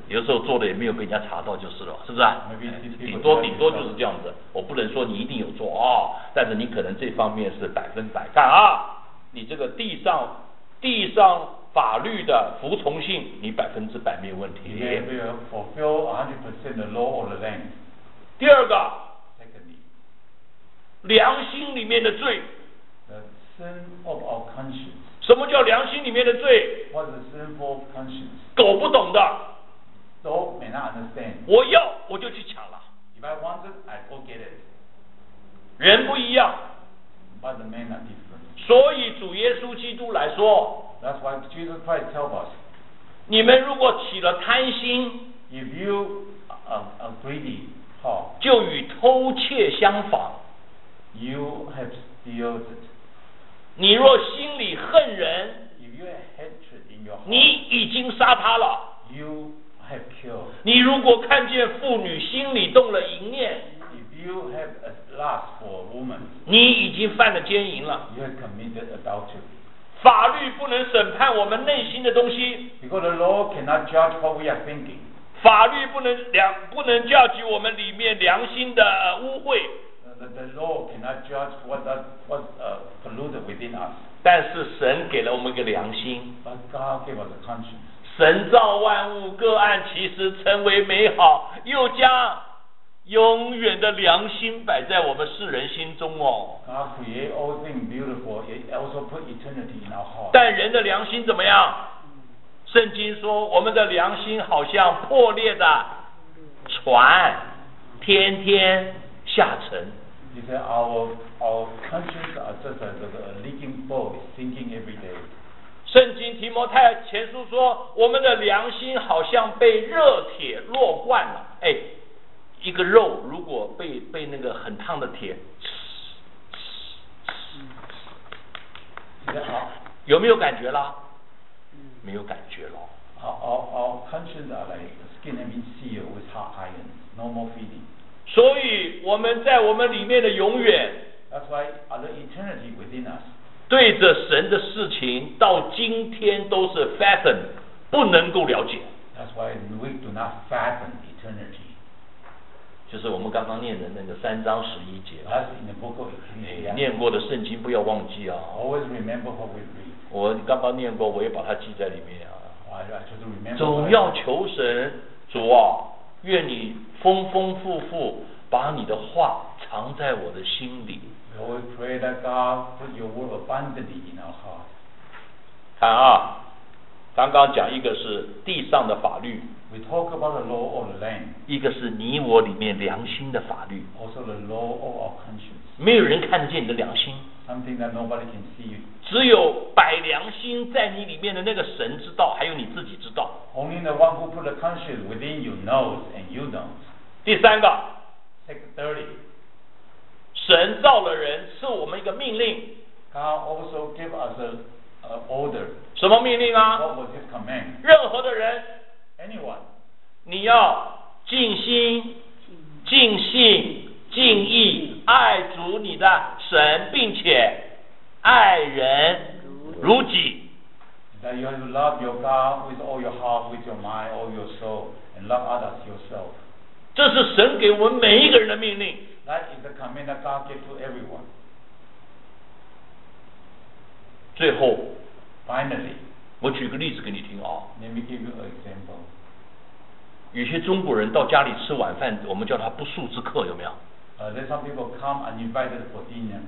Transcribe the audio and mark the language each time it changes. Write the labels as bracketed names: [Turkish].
[Chinese] 有时候做的也没有被人家查到就是了，是不是啊？ [English] Maybe people [Chinese] 顶多就是这样子。我不能说你一定有做啊、哦，但是你可能这方面是百分百。看啊，你这个地上法律的服从性，你百分之百没有问题。 [English] You may fulfill 100% the law or the land. [Chinese] 第二个， [English] secondly, [Chinese] 良心里面的罪。 [English] The sin of our conscience. [Chinese] 什么叫良心里面的罪？ [English] What is sinful conscience? [Chinese] 狗不懂的。 [English] Dog may not understand. [Chinese] 我要我就去抢了。 [English] If I want it, I go get it. [Chinese] 人不一样。 [English] But the man are different. [Chinese] 所以主耶稣基督来说， [English] That's why Jesus Christ tells us. [Chinese] 你们如果起了贪心， [English] If you are greedy, huh? [Chinese] 就与偷窃相仿。 [English] You have stealed it. [Chinese] 你若心里恨人， [English] if you have hatred in your heart, [Chinese] 你已经杀他了。 [English] You have killed. [Chinese] 你如果看见妇女心里动了淫念， [English] if you have a lust for a woman, [Chinese] 你已经犯了奸淫了。 [English] You have committed adultery. [Chinese] 法律不能审判我们内心的东西， [English] because the law cannot judge what we are thinking. [Chinese] 法律不能 judge 我们里面良心的污秽。 [English] The law cannot judge what's polluted within us. [Chinese] 但是神给了我们一个良心。 [English] But God gave us a conscience. [Chinese] 神造万物，各按其实成为美好，又将永远的良心摆在我们世人心中哦。 [English] God created all things beautiful, He also put eternity in our heart. [Chinese] 但人的良心怎么样？圣经说，我们的良心好像破裂的船，天天下沉。 [English] He said, our conscience are just like a leaking boat, sinking every day. [Chinese] 圣经提摩太前书说，我们的良心好像被热铁烙惯了。哎，一个肉如果被那个很烫的铁，好，有没有感觉啦？没有感觉了。 [English] Our conscience are like skin and being sealed with hot iron, no more feeling. [Chinese] 所以我们在我们里面的永远， [English] That's why the eternity within us, [Chinese] 对着神的事情到今天都是 fathom 不能够了解。 [English] That's why we do not fathom eternity. [Chinese] 就是我们刚刚念的那个三章十一节， [English] That's in the book of Ecclesiastes. [Chinese] 念过的圣经不要忘记啊。 [English] Always remember what we read. [Chinese] 我刚刚念过，我也把它记在里面啊。 [English] I just remember. [Chinese] 总要求神，主啊，愿你丰丰富富把你的话藏在我的心里。 [English] We pray that God put your word abundantly in our heart. [Chinese] 看啊，刚刚讲一个是地上的法律， [English] We talk about the law of the land. [Chinese] 一个是你我里面良心的法律， [English] Also the law of our conscience. [Chinese] 没有人看得见你的良心， [English] Something that nobody can see. [Chinese] 只有摆良心在你里面的那个神知道，还有你自己知道。 [English] Only the one who put the conscience within you knows and you know. [Chinese] 第三个， [English] Secondly, [Chinese] 神造了人赐我们一个命令。 [English] God also gave us an order. [Chinese] 什么命令啊？ [English] What was his command? [Chinese] 任何的人， [English] Anyone, [Chinese] 你要尽心尽性尽意爱主你的神，并且爱人如己。 [English] That you have to love your God with all your heart, with your mind, all your soul, and love others yourself. [Chinese] 这是神给我们每一个人的命令。 [English] That is the command that God gave to everyone. [Chinese] 最后 [English] ，finally， [Chinese] 我举个例子给你听啊。 [English] Let me give you an example. [Chinese] 有些中国人到家里吃晚饭，我们叫他不速之客，有没有？ [English] There some people come uninvited for dinner.